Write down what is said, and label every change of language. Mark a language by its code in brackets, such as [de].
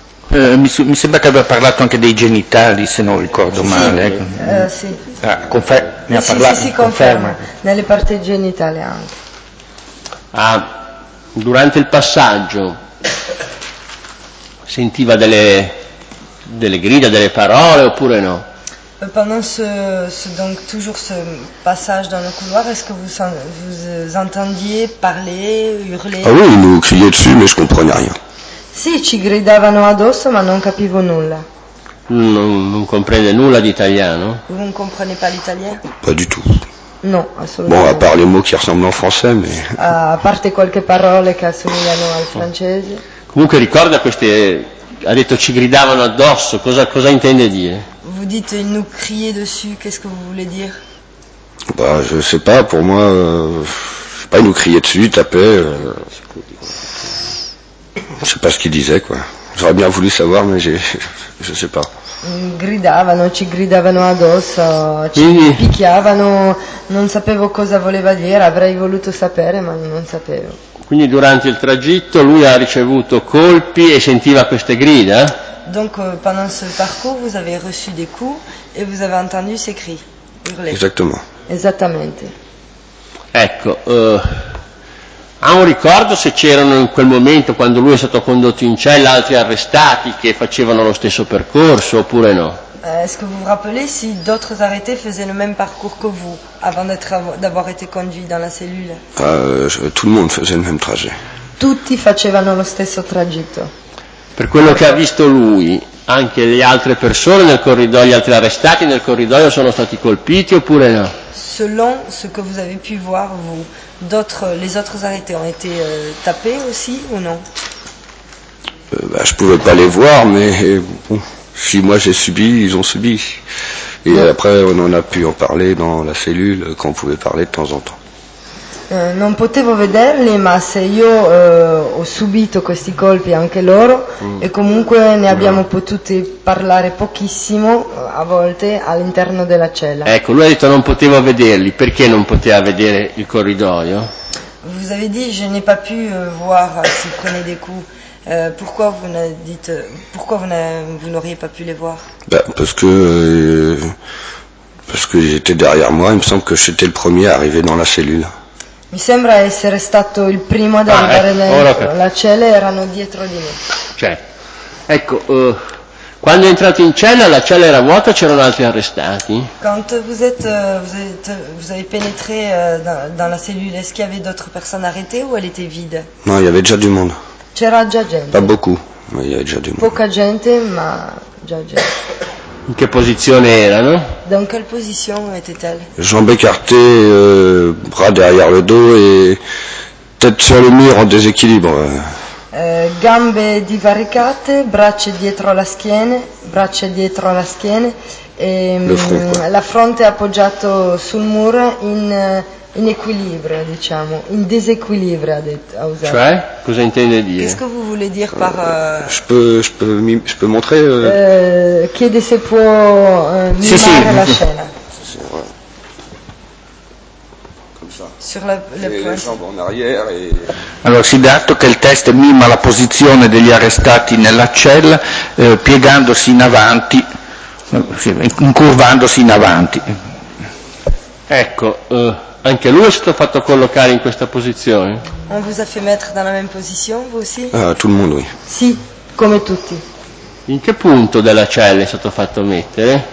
[it] mi sembra che abbia parlato anche dei genitali, se non ricordo male. Sì. Ne ha parlato. Sì, conferma. Nelle parti genitali anche. Ah, durante il passaggio sentiva delle grida, delle parole oppure no? [fr] Pendant donc toujours ce passage dans le couloir, est-ce que vous entendiez parler, hurler? Ah oui, ils nous criaient dessus, mais je comprenais rien. [it] Sì, ci gridavano addosso, ma non capivo nulla. Non [fr] comprenez [it] nulla d'italiano? [fr] Vous ne comprenez pas l'italien? Pas du tout. [it] Non, assolutamente. [fr] Bon, à part les mots qui ressemblent en français, mais... [it] A parte qualche parole che assomigliano al francese. Comunque ricorda queste... Ha detto ci gridavano addosso, cosa intende dire? [fr] Vous dites ils nous criaient dessus, qu'est-ce que vous voulez dire? Bah, je sais pas, pour moi, je sais pas, ils nous criaient dessus, ils tapaient. Je sais pas ce qu'ils disaient, quoi. J'aurais bien voulu savoir, mais je sais pas. [it] Gridavano, ci gridavano addosso, ci picchiavano, non sapevo cosa voleva dire, avrei voluto sapere, ma non sapevo. Quindi durante il tragitto lui ha ricevuto colpi e sentiva queste grida? [fr] Donc pendant ce parcours vous avez reçu des coups et vous avez entendu ces cris hurler. Exactement. [it] Esattamente. Ecco, ha un ricordo se c'erano in quel momento quando lui è stato condotto in cella altri arrestati che facevano lo stesso percorso oppure no? [fr] Est-ce que vous vous rappelez si d'autres arrêtés faisaient le même parcours que vous avant d'avoir été conduit dans la cellule? Tout le monde faisait le même trajet. [it] Tutti facevano lo stesso tragitto. Per quello che ha visto lui, anche le altre persone nel corridoio, gli altri arrestati nel corridoio sono stati colpiti oppure no? [fr] Selon ce que vous avez pu voir, vous, d'autres, les autres arrêtés ont été tapés aussi ou non? Je pouvais pas les voir, mais bon. Si moi j'ai subi, ils ont subi. Et non. Après, on en a pu en parler dans la cellule, quand on pouvait parler de temps en temps. [it] Non potevo vederli, ma se io ho subito questi colpi anche loro, e comunque ne abbiamo potuti parlare pochissimo, a volte, all'interno della cella. Ecco, lui ha detto non potevo vederli, perché non poteva vedere il corridoio? [fr] Vous avez dit, je n'ai pas pu voir s'il prenait des coups. Pourquoi vous n'auriez pas pu les voir? Parce que j'étais derrière moi, il me semble que j'étais le premier à arriver dans la cellule. [it] Mi sembra essere stato il primo ad arrivare dentro. La cella erano dietro di me. Cioè, ecco, Quando è entrato in cella, la cella era vuota, c'erano altri arrestati. [fr] Quand vous avez pénétré dans la cellule, est-ce qu'il y avait d'autres personnes arrêtées ou elle était vide? Non, il y avait déjà du monde. [it] C'era già gente. [fr] Pas beaucoup, mais il y avait déjà du monde. [it] Poca gente, ma già gente. In che posizione era, no? [fr] Dans quelle position était-elle? Jambes écartées, bras derrière le dos et tête sur le mur en déséquilibre. [it] Gambe divaricate, braccia dietro la schiena, braccia dietro la schiena e la fronte appoggiato sul muro in equilibrio, diciamo, in disequilibrio, ha usato. Cioè, cosa intende dire? [fr] Qu'est-ce que vous voulez dire par je peux montrer [it] chiede se può mimare la scena. [fr] Sur le jambe en arrière et... [it] Allora, si dato che il test mima la posizione degli arrestati nella cella, piegandosi in avanti, incurvandosi in avanti. Ecco, anche lui è stato fatto collocare in questa posizione? [fr] On vous a fait mettre dans la même position, vous aussi? Tout le monde, oui. [it] Sì, come tutti. In che punto della cella è stato fatto mettere?